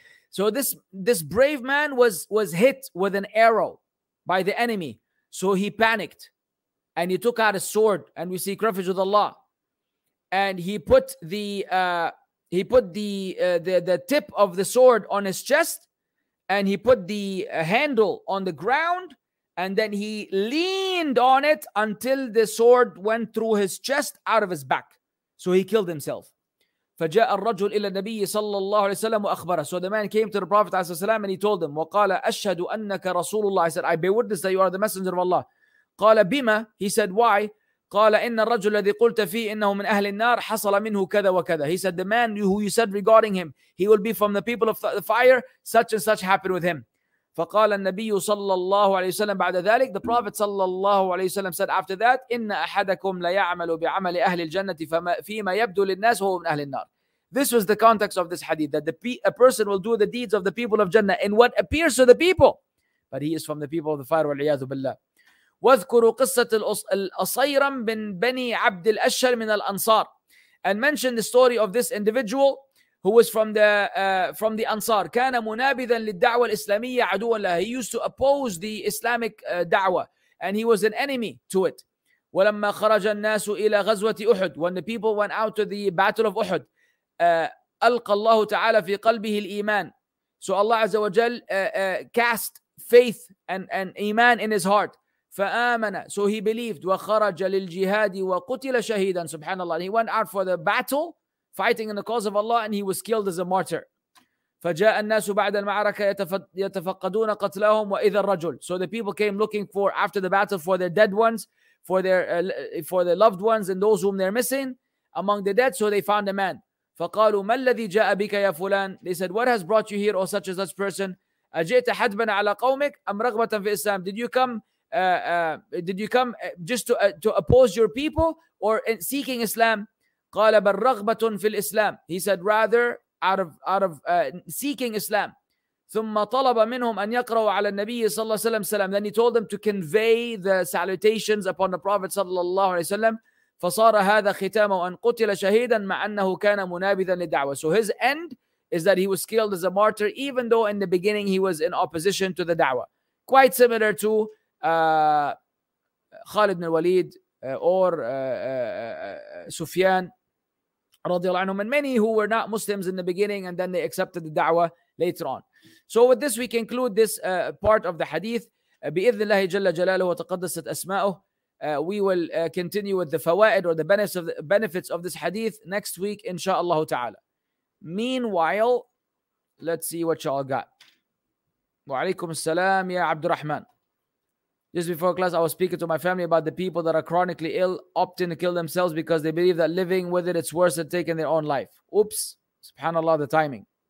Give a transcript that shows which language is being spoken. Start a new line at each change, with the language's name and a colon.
English: So this brave man was hit with an arrow by the enemy, so he panicked and he took out his sword, and we see refuge with Allah, and he put the tip of the sword on his chest, and he put the handle on the ground, and then he leaned on it until the sword went through his chest out of his back, so he killed himself.
Arabic: فجاء الرجل إلى النبي صلى الله عليه وسلم وأخبره.
English: So the man came to the Prophet عليه السلام and he told him,
Arabic: وقال أشهد أنك رسول الله.
English: I said, I bear witness that you are the messenger of Allah.
Arabic: قال بما.
English: He said, why?
Arabic: قال إن الرجل الذي قلت فيه إنه من أهل النار حصل منه كذا وكذا.
English: He said, the man who you said regarding him, he will be from the people of the fire, such and such happened with him.
Arabic: فقال النبي صلى الله عليه وسلم بعد ذلك,
English: the Prophet صلى الله عليه وسلم said after that,
Arabic: إن أحدكم لا يعمل بعمل أهل الجنة فيما يبدو للناس هو من أهل النار.
English: This was the context of this hadith, that a person will do the deeds of the people of Jannah in what appears to the people, but he is from the people of the fire,
Arabic: والعياذ بالله. واذكروا قصة الأصيرم بن بني عبد الأشهر من الأنصار,
English: and mention the story of this individual who was from the Ansar.
Arabic: كان منابذا للدعوة الإسلامية عدوا لها.
English: He used to oppose the Islamic da'wah, and he was an enemy to it.
Arabic: ولما خرج الناس إلى غزوة أحد,
English: when the people went out to the battle of Uhud,
Arabic: ألقى الله تعالى في قلبه الإيمان.
English: So Allah عز وجل cast faith and إيمان in his heart.
Arabic: فآمن,
English: so he believed.
Arabic: وخرج للجهاد وقتل شهيدا. سبحان الله.
English: He went out for the battle, fighting in the cause of Allah, and he was killed as a martyr.
Arabic: فجاء الناس بعد المعركة يتفقدون قتلهم وإذا الرجل.
English: So the people came looking for after the battle for their dead ones, for their loved ones and those whom they're missing among the dead. So they found a man.
Arabic: فقالوا ما الذي جاء بك يا فلان.
English: They said, what has brought you here, or such as such person?
Arabic: أجئت حدبا على قومك أم رغبة في الإسلام.
English: Did you come just to oppose your people or seeking Islam?
Arabic: قال بل رغبة في الإسلام.
English: He said, rather out of seeking Islam.
Arabic: ثم طلب منهم أن يقرأوا على النبي صلى الله عليه وسلم سلام.
English: Then he told them to convey the salutations upon the Prophet صلى الله عليه وسلم.
Arabic: فصار هذا ختامه أن قتل شهيدا مع أنه كان منابذا للدعوة.
English: So his end is that he was killed as a martyr, even though in the beginning he was in opposition to the da'wah. Quite similar to خالد بن الوليد Sufyan radiallahu anhu, and many who were not Muslims in the beginning and then they accepted the da'wah later on. So with this, we conclude this part of the hadith.
Arabic: بإذن الله جل جلاله وتقدست أسماؤه.
English: We will continue with the fawaid or the benefits of this hadith next week, inshallah ta'ala. Meanwhile, let's see what y'all got. Wa alaykum as-salam, ya Abdurrahman. Just before class, I was speaking to my family about the people that are chronically ill opting to kill themselves because they believe that living with it, it's worse than taking their own life. Oops. Subhanallah, the timing.